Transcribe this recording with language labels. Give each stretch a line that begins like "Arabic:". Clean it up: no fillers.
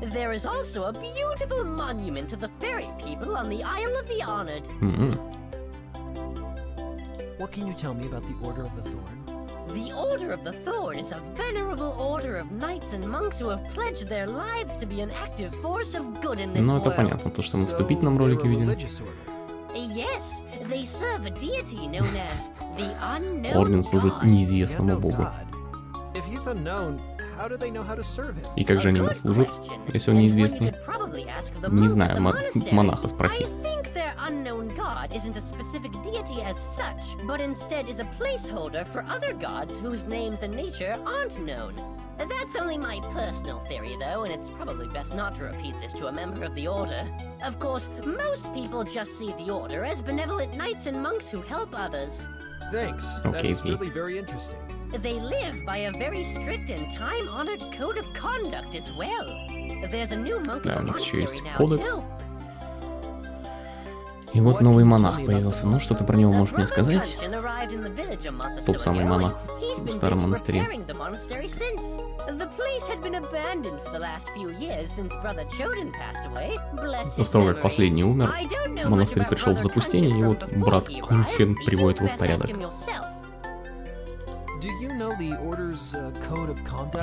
English: There is also a beautiful monument to the fairy people on the Isle of the Honored. What can you tell me about the Order of the Thorne? The Order of the Thorne is a venerable order of knights and monks who have pledged their lives to be an active force of good in this world.
Russian: Ну это понятно, то что мы вступить нам ролики видим.
English: Yes, they serve a deity known as the unknown god.
Russian: Орден служит неизвестному богу.
English: If he's unknown, how do they know how to serve him?
Russian: И как же они его служат, если он неизвестный? Не знаю, монаха спроси.
English: I think their unknown god isn't a specific deity as such, but instead is a placeholder for other gods whose names and nature aren't known. That's only my personal theory, though, and it's probably best not to repeat this to a member of the Order. Of course, most people just see the Order as benevolent knights and monks who help others. Thanks. Okay, that's really very interesting. They live by a very strict and time-honored code of conduct as well. There's a new monk in the monastery now, too.
Russian: И вот новый монах появился. Ну, что-то про него можешь мне сказать? Тот самый монах в старом монастыре.
English: The place had been abandoned for the last few years since Brother Choden passed away. Bless his memory.
Russian: После того, как последний умер, монастырь пришел в запустение, и вот брат Кунхен приводит его в порядок.
English: Do you know the order's code of conduct?